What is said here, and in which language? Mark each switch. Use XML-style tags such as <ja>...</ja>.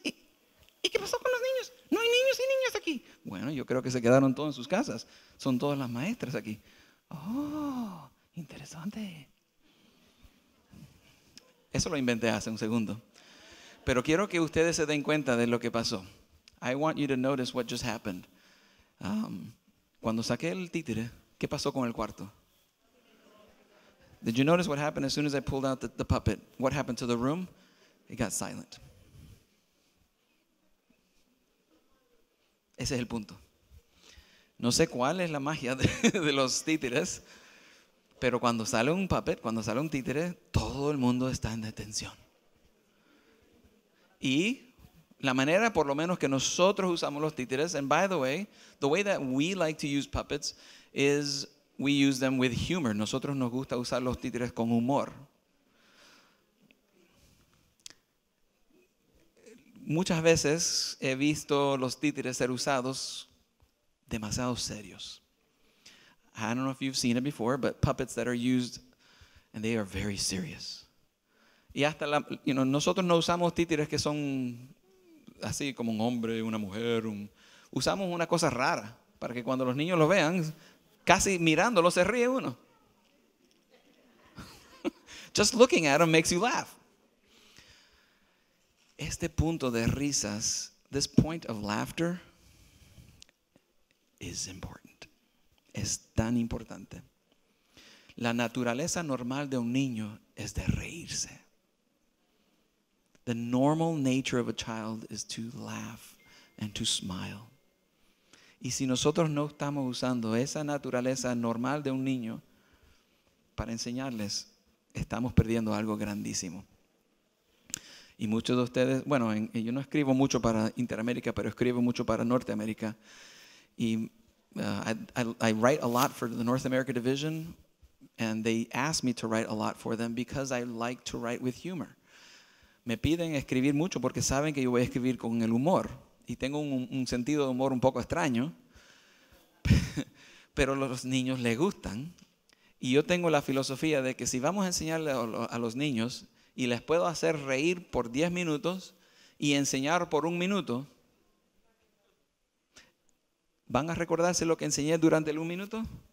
<es>¿Y qué pasó con los niños? No hay niños y niñas aquí. Bueno, yo creo que se quedaron todos en sus casas. Son todas las maestras aquí. Oh, interesante. Eso lo inventé hace un segundo. Pero quiero que ustedes se den cuenta de lo que pasó.</es> <en>I want you to notice what just happened.</en> <es>Cuando saqué el títere, ¿qué pasó con el cuarto?</es> <en>Did you notice what happened as soon as I pulled out the puppet? What happened to the room? It got silent.</en> <es>Ese es el punto. No sé cuál es la magia de los títeres, pero cuando sale un puppet, cuando sale un títere, todo el mundo está en detención. Y la manera por lo menos que nosotros usamos los títeres,</es> <en>and by the way that we like to use puppets is we use them with humor.</en> <es>Nosotros nos gusta usar los títeres con humor. Muchas veces he visto los títeres ser usados demasiado serios.</es> <en>I don't know if you've seen it before, but puppets that are used and they are very serious.</en> <es>Y hasta la, you know, nosotros no usamos títeres que son así como un hombre, una mujer. Usamos una cosa rara para que cuando los niños lo vean, casi mirándolo se ríe uno.</es> <en>Just looking at him makes you laugh.</en> <es>Este punto de risas,</es> <en>this point of laughter, is important.</en> <es>Es tan importante. La naturaleza normal de un niño es de reírse. The normal nature of a child is to laugh and to smile. Y si nosotros no estamos usando esa naturaleza normal de un niño para enseñarles, estamos perdiendo algo grandísimo. Y muchos de ustedes, bueno, yo no escribo mucho para Interamérica, pero escribo mucho para Norteamérica.</es> <en>Y I write a lot for the North America Division, and they ask me to write a lot for them because I like to write with humor.</en> <es>Me piden escribir mucho porque saben que yo voy a escribir con el humor. Y tengo un sentido de humor un poco extraño, pero los niños les gustan. Y yo tengo la filosofía de que si vamos a enseñarle a los niños y les puedo hacer reír por 10 minutos y enseñar por un minuto, ¿van a recordarse lo que enseñé durante el un minuto?</es>